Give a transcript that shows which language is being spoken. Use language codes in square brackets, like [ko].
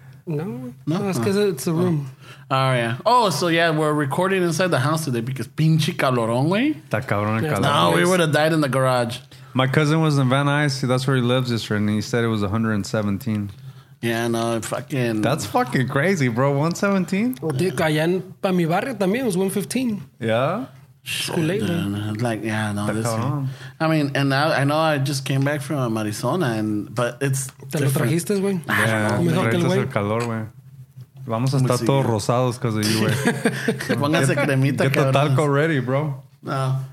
[en] No. No, that's because it's a room. Oh, yeah. Oh, so, yeah, we're recording inside the house today because [es] pinche calorón, güey. Está cabrón el calor. [en] No, we would have died in the garage. My cousin was in Van Nuys. That's where he lives yesterday, and he said it was 117. Yeah, no, fucking... That's fucking crazy, bro. 117? Well, dude, [es] allá en pa mi barrio también [en] was 115. Yeah? School late, man. Like, yeah, no. I mean, and I know I just came back from Arizona, but it's... [es] ¿Te lo trajiste, güey? [en] Yeah, [es] me trajiste el calor, güey. Vamos a estar todos rosados [en] because of you, [es] güey. Póngase cremita, cabrón. [en] Get the talco ready, bro. No.